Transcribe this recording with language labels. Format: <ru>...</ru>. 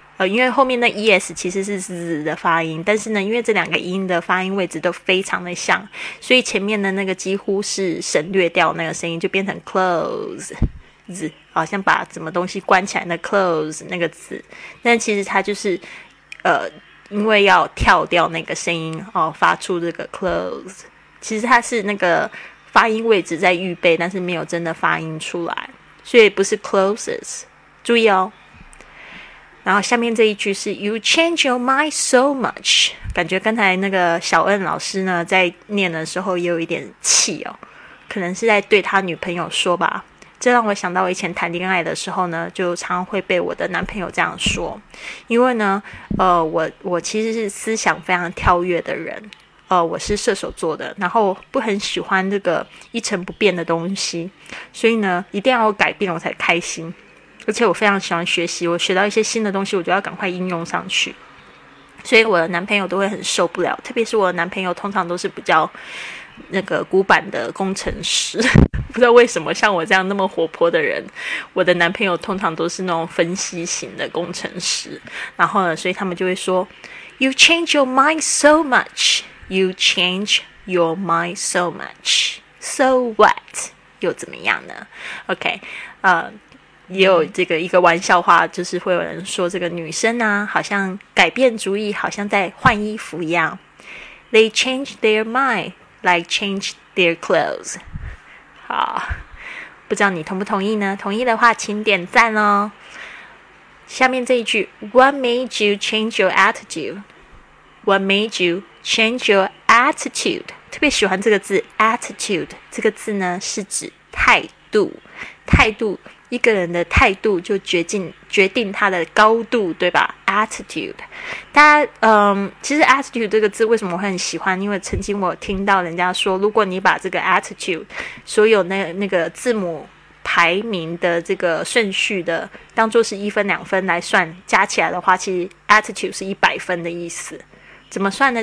<zh>因为后面那 es 其实是 z 的发音，但是呢因为这两个音的发音位置都非常的像，所以前面的那个几乎是省略掉那个声音，就变成 close z, 好像把什么东西关起来的 close 那个字，但其实它就是因为要跳掉那个声音哦，发出这个 close, 其实它是那个发音位置在预备，但是没有真的发音出来，所以不是 closes, 注意哦。然后下面这一句是</zh> <en>You change your mind so much.</en> <zh>感觉刚才那个小恩老师呢在念的时候也有一点气哦，可能是在对他女朋友说吧。这让我想到我以前谈恋爱的时候呢，就常会被我的男朋友这样说。因为呢我其实是思想非常跳跃的人，我是射手座的，然后不很喜欢这个一成不变的东西，所以呢一定要改变我才开心。而且我非常喜欢学习，我学到一些新的东西我就要赶快应用上去，所以我的男朋友都会很受不了，特别是我的男朋友通常都是比较那个古板的工程师。不知道为什么像我这样那么活泼的人，我的男朋友通常都是那种分析型的工程师，然后呢所以他们就会说</zh> <en>You change your mind so much. You change your mind so much. So what?</en> <zh>又怎么样呢？ OK, 也有这个一个玩笑话，就是会有人说这个女生啊好像改变主意好像在换衣服一样。</zh> <en>They change their mind like change their clothes.</en> <zh>好，不知道你同不同意呢？同意的话请点赞哦。下面这一句</zh> <en>What made you change your attitude? What made you change your attitude?</en> <zh>特别喜欢这个字 attitude， 这个字呢是指态度，态度，一个人的态度就决定他的高度，对吧？ Attitude， 大家，其实 attitude 这个字为什么我很喜欢？因为曾经我听到人家说，如果你把这个 attitude 所有那个字母排名的这个顺序的当做是一分两分来算，加起来的话，其实 attitude 是100分的意思。怎么算呢？</zh>